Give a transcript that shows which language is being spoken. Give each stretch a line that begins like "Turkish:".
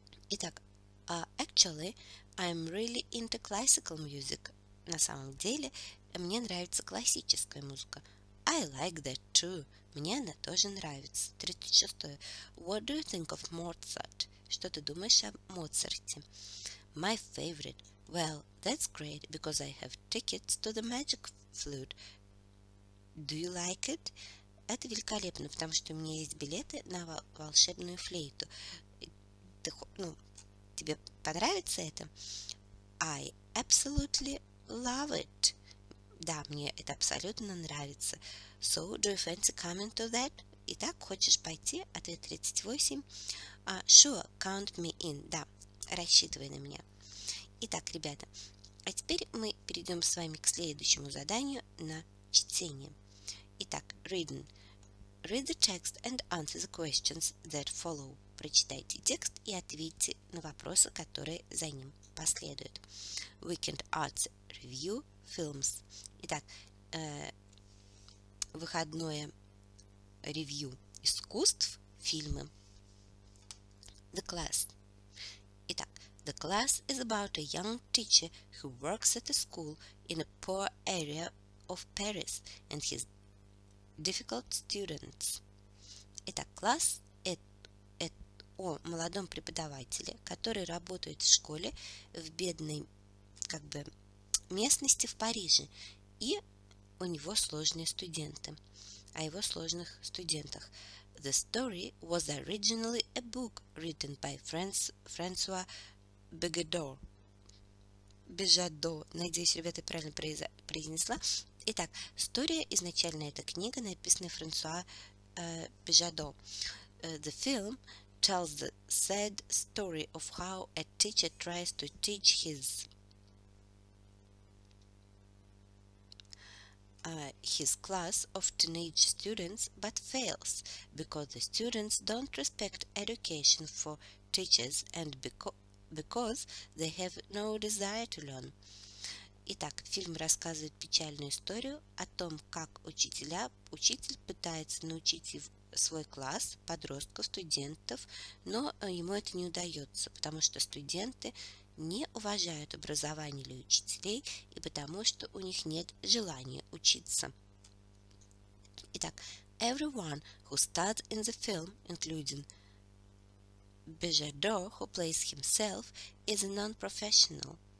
English: Итак, actually, I'm really into classical music.
Russian: На самом деле, мне нравится классическая музыка.
English: I like that too.
Russian: Мне она тоже нравится. 36-й.
English: What do you think of Mozart?
Russian: Что ты думаешь о Моцарте?
English: My favorite. Well, that's great, because I have tickets to the magic flute. Do you like it?
Russian: Это великолепно, потому что у меня есть билеты на волшебную флейту. ты, ну, тебе понравится это.
English: I absolutely love it.
Russian: Да, мне это абсолютно нравится.
English: So, do you fancy coming to that?
Russian: Итак, хочешь пойти? Ответ 38.
English: Sure, count me in.
Russian: Да, рассчитывай на меня. Итак, ребята, а теперь мы перейдем с вами к следующему заданию на чтение. Итак, reading.
English: Read the text and answer the questions that follow.
Russian: Прочитайте текст и ответьте на вопросы, которые за ним последуют.
English: Weekend Arts Review Films.
Russian: Итак, выходное ревью искусств, фильмы.
English: The class. Итак, the class is about a young teacher who works at a school in a poor area of Paris and his difficult students.
Russian: Итак, класс о молодом преподавателе, который работает в школе в бедной, как бы, местности в Париже, и у него сложные студенты, о его сложных студентах.
English: The story was originally a book written by Франсуа Бежадо.
Russian: Надеюсь, ребята, правильно произнесла. Итак, история изначально — это книга, написанная Франсуа Бежадо.
English: The film tells the sad story of how a teacher tries to teach his class of teenage students, but fails because the students don't respect education for teachers and because they have no desire to learn.
Russian: Итак, фильм рассказывает печальную историю о том, как учитель пытается научить свой класс подростков, студентов, но ему это не удается, потому что студенты не уважают образование или учителей, и потому что у них нет желания учиться.
English: Итак, everyone who starts in the film, including Bejardo, who plays himself, is a non-professional.